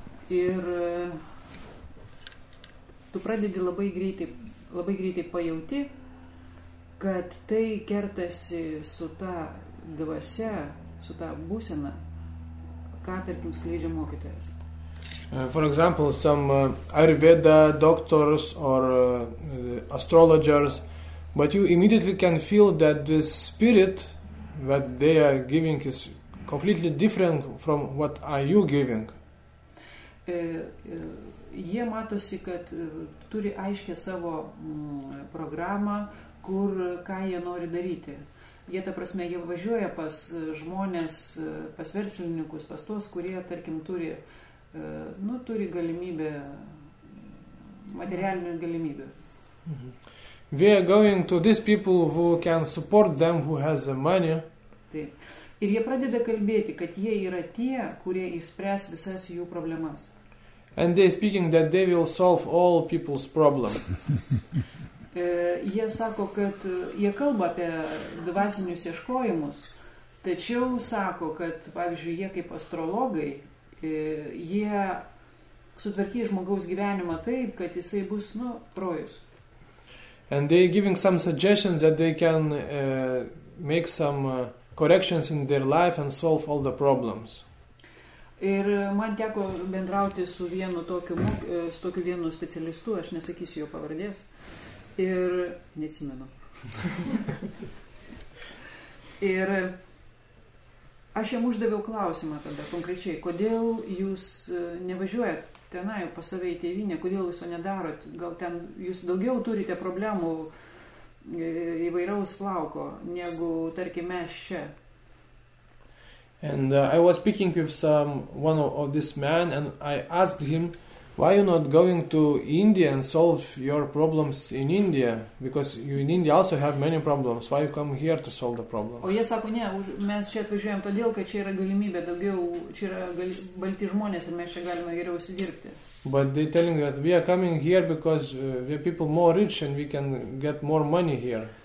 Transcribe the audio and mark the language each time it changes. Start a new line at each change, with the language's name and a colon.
Lithuanian: Ir tu pradedi labai greitai pajauti, kad tai kertasi su ta dvasia, su ta būsena, ką tarkim skleidžia mokytojas.
English: For example, some Ayurveda doctors or astrologers, but you immediately can feel that the spirit that they are giving is completely different from what are you giving.
Lithuanian: Jie matosi, kad turi aiškę savo programą, kur ką jie nori daryti. Jie, ta prasme, jie važiuoja pas žmonės, pas verslininkus, pas tos, kurie, tarkim, turi, nu, turi galimybę, materialinių galimybę. Mm-hmm.
English: We are going to these people who can support them, who has the money.
Lithuanian: Taip. Ir jie pradeda kalbėti, kad jie yra tie, kurie išspręs visas jų problemas.
English: And they speaking that they will solve all people's problems.
Lithuanian: Jie sako, kad jie kalba apie dvasinius ieškojimus, tačiau sako, kad, pavyzdžiui, jie kaip astrologai, jie sutvarkė žmogaus gyvenimą taip, kad jisai bus, nu, rojus.
English: And they giving some suggestions that they can make some corrections in their life and solve all the problems.
Lithuanian: Ir man teko bendrauti su vienu tokiu, su tokiu vienu specialistu, aš nesakysiu jo pavardės, ir neatsimenu. Ir aš jam uždaviau klausimą tada konkrečiai, kodėl jūs nevažiuojat tenai pas save į tėvynę, kodėl jūs to nedarot, gal ten jūs daugiau turite problemų įvairaus plauko, negu tarkim mes čia.
English: And I was speaking with some one of this man, and I asked him, why you not going to India and solve your problems in India? Because you in India also have many problems. Why you come here to solve the problem?
Lithuanian: O jie sako, ne, mes čia atvažiuojam todėl, kad čia yra galimybė daugiau, čia yra balti žmonės, ir mes čia galime geriau įsidirbti.
English: But they're telling that we are coming here because we are people more rich and we can get more money here.